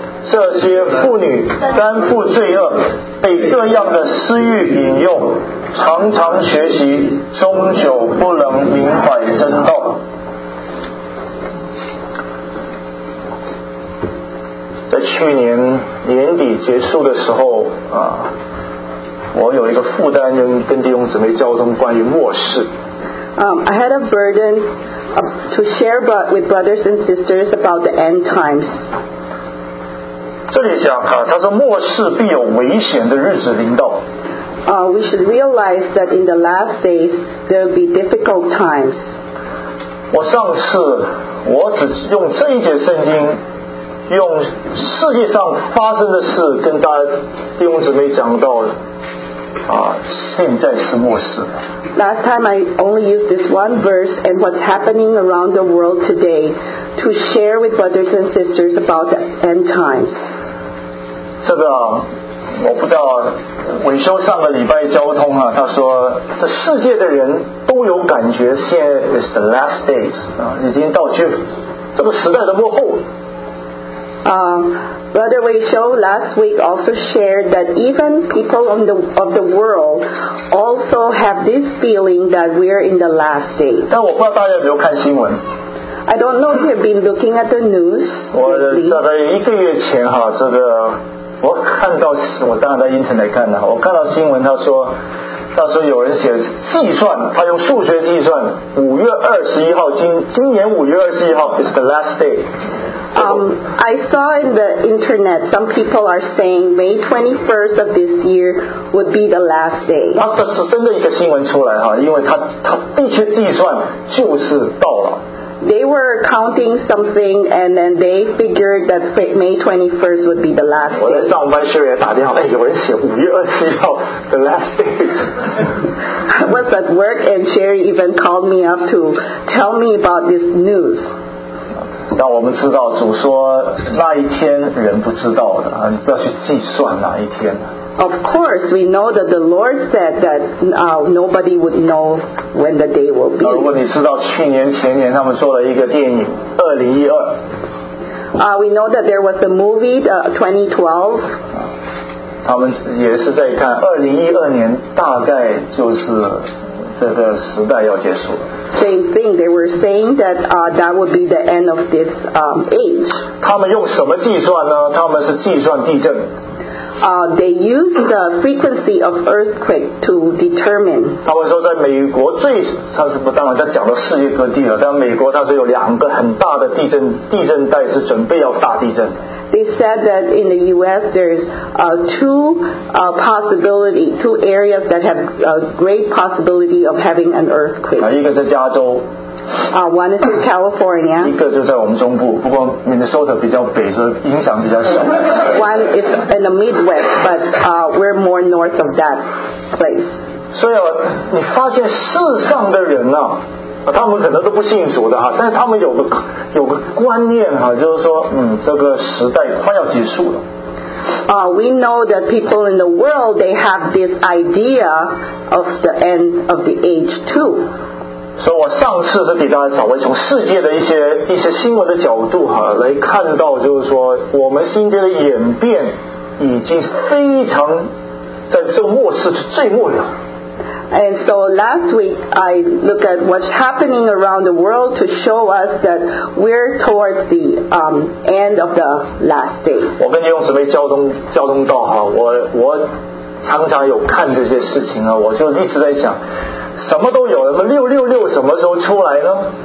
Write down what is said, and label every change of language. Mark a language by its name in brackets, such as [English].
[Chinese] 这些妇女担负罪恶，被各样的私欲引诱，常常学习，终究不能明白真道。在去年年底结束的时候啊，我有一个负担，跟弟兄姊妹交通关于末世。 [English] I had a burden to share with brothers and sisters about the end times. [Chinese] 这里讲啊，他说末世必有危险的日子临到。 [English] We should realize that in the last days there will be difficult times. [Chinese] 我上次我只用这一节圣经。用世界上发生的事跟大家弟兄姊妹讲到啊，现在是末世。 [English] Last time I only used this one verse and what's happening around the world today to share with brothers and sisters about the end times. [Chinese] 这个、啊、我不知道，伟修上个礼拜交通啊，他说这世界的人都有感觉，现在 [English] is the last days [Chinese] 啊，已经到去这个时代的末后。 [English] Brother Wei Shou last week also shared that even people of the world also have this feeling that we are in the last days. [Chinese] 但我不知道大家有没有看新闻。 [English] I don't know if you've been looking at the news. [Chinese] 我大概一个月前哈，这个我看到，我当然在 internet 看的，我看到新闻，他说有人写计算，他用数学计算，五月二十一号，今年五月二十一号 [English] is the last day。 I saw in the internet some people are saying May 21st of this year would be the last day. [Chinese] 那这是真的一个新闻出来哈，因为他的确计算就是到了。 [English] They were counting something and then they figured that May 21st would be the last day. [Chinese] 我在上班，Sherry也打电话，哎，有人写五月二十一号 [English] the last day. I was at work and Sherry even called me up to tell me about this news. [Chinese] 让我们知道主说那一天人不知道的，你不要去计算哪一天。 [English] Of course we know that the Lord said that nobody would know when the day will be. [Chinese] 如果你知道去年前年他们做了一个电影2012、 [English] We know that there was a movie 2012、 [Chinese] 他们也是在看2012年大概就是这个时代要结束。 [English] Same thing, they were saying that that would be the end of this age. [Chinese] 他们用什么计算呢？他们是计算地震。 [English] They use the frequency of earthquake to determine. [Chinese] 他们说在美国最，他是不当然在讲到世界各地了，但美国它是有两个很大的地震带是准备要大地震。 [English] They said that in the U.S. there's two areas that have a great possibility of having an earthquake. [Chinese] 一个是加州。 [English] One is in California. [Chinese] 一个就在我们中部，不过 Minnesota 比较北，是影响比较小。 [English] One is in the Midwest, but we're more north of that place. [Chinese] 所以你发现世上的人啊，他们可能都不信主的哈，但是他们有个观念哈，就是说，这个时代快要结束了。 [English] We know that people in the world they have this idea of the end of the age too. [Chinese] So 我上次是给大家稍微从世界的一些新闻的角度哈来看到，就是说我们现在的演变已经非常在这个末世是最末了。 [English] And so last week I looked at what's happening around the world to show us that we're towards the end of the last days. [Chinese] 我跟弟兄姊妹交通道哈，我常常有看这些事情啊，我就一直在想，什么都有，那么666什么时候出来呢？